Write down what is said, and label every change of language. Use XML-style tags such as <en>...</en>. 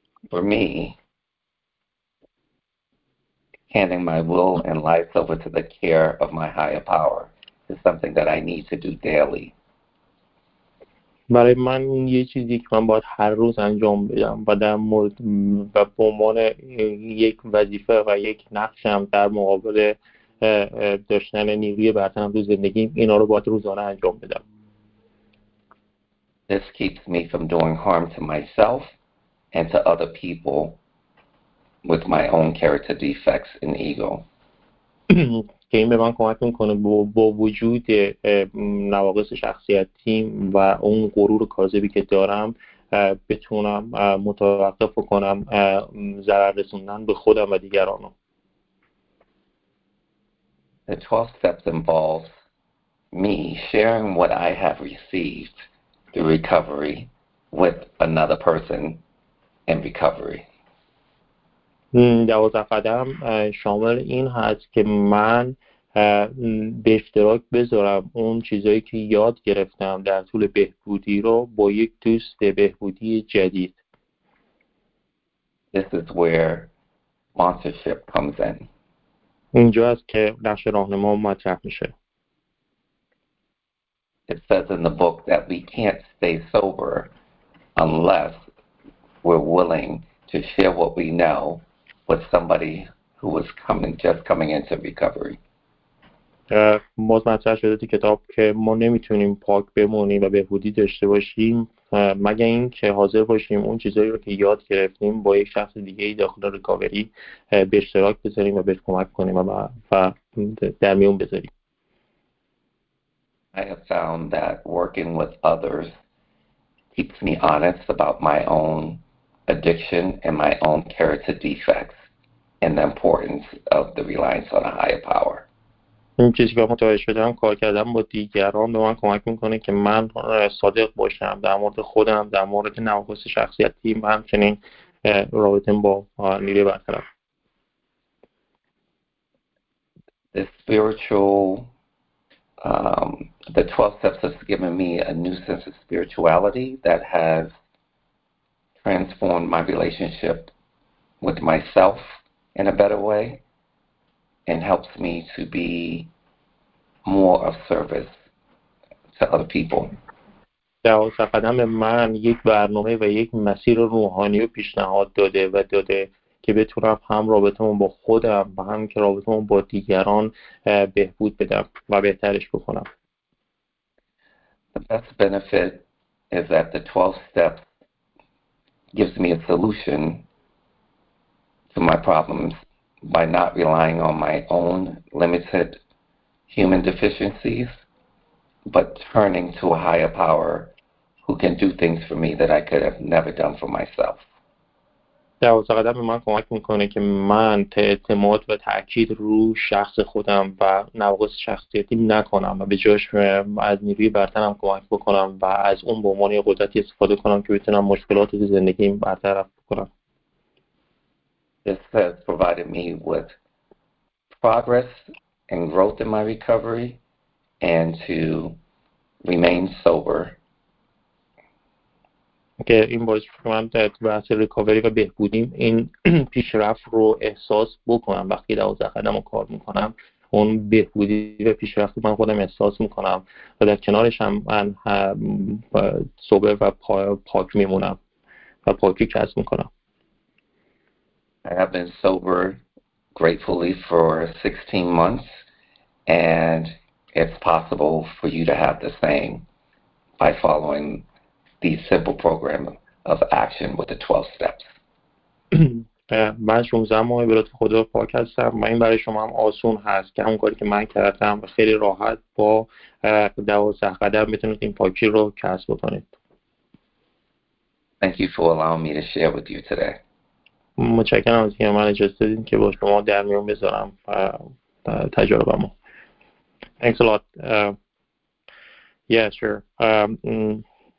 <en>For me, handing my will and life over to the care of my higher power is something that I need to do daily.</en> <fa>برای من یه چیزی که من باید هر روز انجام بدم و در مورد و به عنوان یک وظیفه و یک نقشم در مقابل داشتن نیروی برتر تو زندگیم اینا رو باید روزانه انجام بدم.</fa> <en>This keeps me from doing harm to myself and to other people with my own character defects and ego.</en> <fa>که این به من کمک میکنه با وجود نواقص شخصیتیم و اون غرور کاذبی که دارم بتونم متوقف کنم ضرر رسوندن به خودم و دیگرانو.</fa> <en>The 12 steps involves me sharing what I have received through recovery with another person in recovery.</en> <fa>دوازده قدم شامل این هست که من به اشتراک بذارم اون چیزایی که یاد گرفتم در طول بهبودی رو با یک دوست بهبودی جدید.</fa> <en>This is where sponsorship comes in.</en> <fa>اینجا است که نقش راهنما مطرح میشه.</fa> <en>It says in the book that we can't stay sober unless we're willing to share what we know with somebody who was just coming into recovery.</en> <fa>مطمئن شده تو کتاب که ما نمیتونیم پاک بمونیم و بهبودی داشته باشیم مگر اینکه حاضر باشیم اون چیزایی رو که یاد گرفتیم با یک شخص دیگه داخل ریکاوری به اشتراک بذاریم و بهش کمک کنیم و در میون بذاریم.</fa> <en>I have found that working with others keeps me honest about my own addiction and my own character defects and the importance of the reliance on a higher power.</en> <fa>این چیزی که متوجه شدم کار کردن با دیگران به من کمک میکنه که من صادق باشم در مورد خودم، در مورد نواقص شخصیتی و همچنین رابطه با نیروی برطرف.</fa> <en>The spiritual the 12 steps has given me a new sense of spirituality that has transformed my relationship with myself in a better way and helps me to be more of service to other people.</en> <fa>دوازده قدم به من یک برنامه و یک مسیر روحانی رو پیشنهاد داده و داده که بتونم هم رابطه‌مون با خودم و هم که رابطه‌مون با دیگران بهبود بدم و بهترش بکنم.</fa> <en>The best benefit is that the 12 steps gives me a solution to my problems by not relying on my own limited human deficiencies, but turning to a higher power who can do things for me that I could have never done for myself.</en> <fa>دوازده قدم به من کمک میکنه که من اعتماد و تأکید رو شخص خودم و نواقص شخصیتی نکنم و به جاش از نیروی برترم کمک بکنم و از اون به عنوان قدرتی استفاده کنم که بتونم مشکلات زندگیم برطرف بکنم.</fa> <en>This has provided me with progress and growth in my recovery and to remain sober.</en> <fa>که این باعث شده من در بحث ریکاوری و بهبودیم این پیشرفت رو احساس بکنم. وقتی دوازده قدم رو کار میکنم اون بهبودی و پیشرفت رو من خودم احساس میکنم و در کنارش هم من صبح و پاک میمونم و پاکی کسب میکنم.</fa> <en>I have been sober gratefully for 16 months and it's possible for you to have the same by following the simple program of action with the 12 steps.</en> <fa>من 16 ماه به لطف خدا پاک هستم و این برای شما هم آسون هست که همون کاری که من کردم و خیلی راحت با 12 قدم میتونید این پاکی رو کسب بکنید.</fa> <en>Thank you for allowing me to share with you today.</en> <fa>متشکرم از اینکه من اجازه دادین که با شما در میون بذارم تجربه‌مو.</fa> <en>Thanks a lot. Yeah, sure.</en>